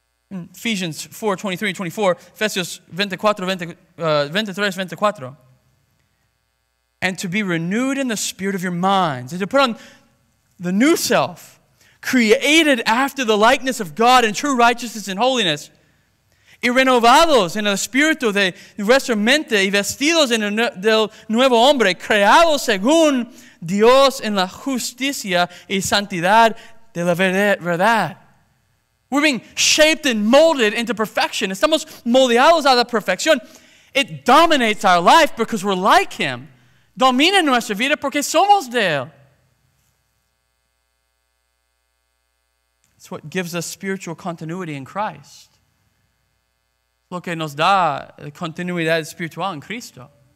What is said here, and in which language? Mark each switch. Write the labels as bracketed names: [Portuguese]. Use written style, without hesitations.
[English] In Ephesians 4:23-24, Ephesians 23:24. And to be renewed in the spirit of your minds. And to put on the new self. Created after the likeness of God in true righteousness and holiness. [Spanish] Y renovados en el espíritu de nuestra mente y vestidos en el nuevo hombre. Creados según Dios en la justicia y santidad de la verdad. [English] We're being shaped and molded into perfection. [Spanish] Estamos moldeados a la perfección. [English] It dominates our life because we're like him. [Spanish] Domina nuestra vida porque somos de él. [English] It's what gives us spiritual continuity in Christ. [Spanish] Lo que nos da la continuidad espiritual en Cristo.